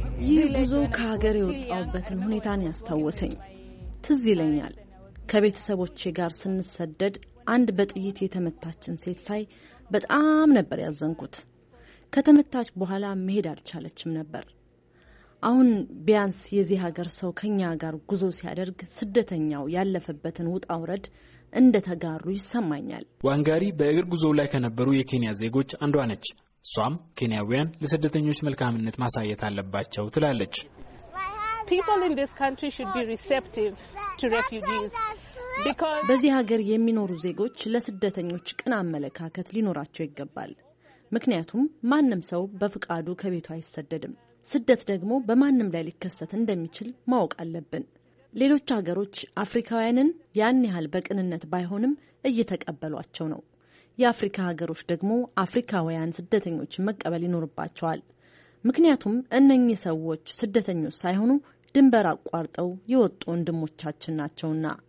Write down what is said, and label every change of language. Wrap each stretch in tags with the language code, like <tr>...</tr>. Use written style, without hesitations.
<am>ይህ ጉዞ ከሀገር የወጣሁበትን ሁኔታ ያስታወሰኝ ትዝ ይለኛል። ከቤተሰቦቼ ጋር ስንሰደድ አንድ በጥይት የተመታችን ሴት ሳይ በጣም ነበር ያዘንኩት። ከተመታች በኋላ መሄድ አልቻለችም ነበር። አሁን ቢያንስ የዚህ ሀገር ሰው ከኛ ጋር ጉዞ ሲያደርግ ስደተኛው ያለፈበትን ውጣ ውረድ እንደ ተጋሩ ይሰማኛል። ዋንጋሪ በእግር ጉዞው ላይ ከነበሩ የኬንያ ዜጎች አንዷ ነች። ሷም ኬንያውያን ለስደተኞች መልካምነት ማሳየት አለባቸው ትላለች።</am> <en>People in this country should be receptive to refugees.</en> <am>በዚህ ሀገር የሚኖሩ ዜጎች ለስደተኞች ቅን አመለካከት ሊኖራቸው ይገባል። ምክንያቱም ማንም ሰው በፍቃዱ ከቤቱ አይሰደድም። ስደት ደግሞ በማንም ላይ ሊከሰት እንደሚችል ማወቅ አለብን። ሌሎች ሀገሮች አፍሪካውያንን ያን ያህል በቅንነት ባይሆንም እየተቀበሏቸው ነው። የአፍሪካ ሀገሮች ደግሞ አፍሪካውያን ስደተኞችን መቀበል ይኖርባቸዋል። ምክንያቱም እነኚህ ሰዎች ስደተኞች ሳይሆኑ ድንበር አቋርጠው የወጡ ወንድሞቻችን ናቸውና።</am>